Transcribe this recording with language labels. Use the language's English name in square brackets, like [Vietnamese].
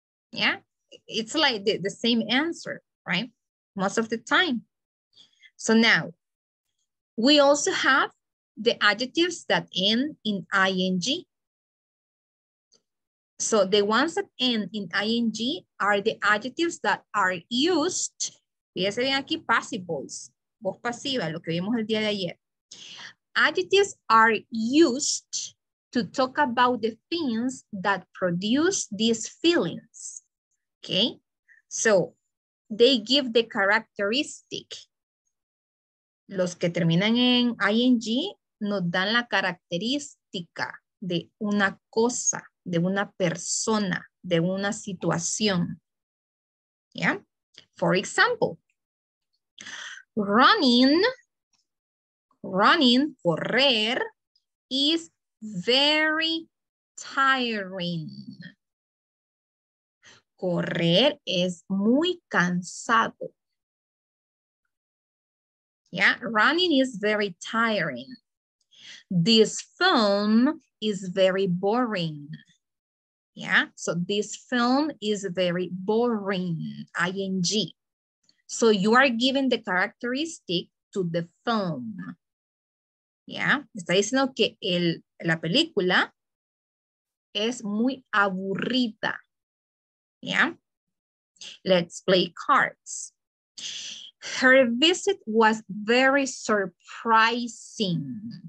[English] Yeah, it's like the same answer, right? Most of the time. So now, we also have the adjectives that end in ing. So the ones that end in ing are the adjectives that are used. [Spanish] Fíjense bien aquí, [English] passive voice, [Spanish] voz pasiva, lo que vimos el día de ayer. [English] Adjectives are used to talk about the things that produce these feelings. Okay, so they give the characteristic. [Spanish] Los que terminan en ing nos dan la característica de una cosa, de una persona, de una situación. [English] Yeah? For example, running, [Spanish] correr, [English] is very tiring. [Spanish] Correr es muy cansado. [English] Yeah, running is very tiring. This film is very boring. Yeah, so this film is very boring, ing. So you are giving the characteristic to the film. [Spanish] Yeah, está diciendo que la película es muy aburrida. [English] Yeah, let's play cards. Her visit was very surprising.